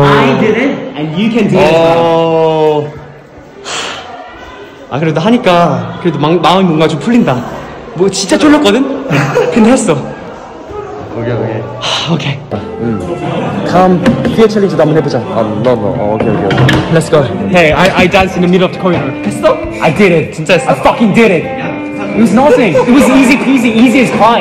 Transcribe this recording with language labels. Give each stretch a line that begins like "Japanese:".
English: I did it, and you can do it as well.
Korean: Oh. 아 그래도 하니까 그래도 마음이 뭔가 좀 풀린다. 뭐 진짜 쫄렸거든? 근데 했어. 오케이. 다음 피어 챌린지도 한번 해보자. 오케이.
English: Let's go. Hey, I danced in the middle of the corridor.
Korean: 했어?
English: I did it.
Korean: 진짜 했어.
English: I fucking did it. It was nothing. It was easy peasy, easy as pie.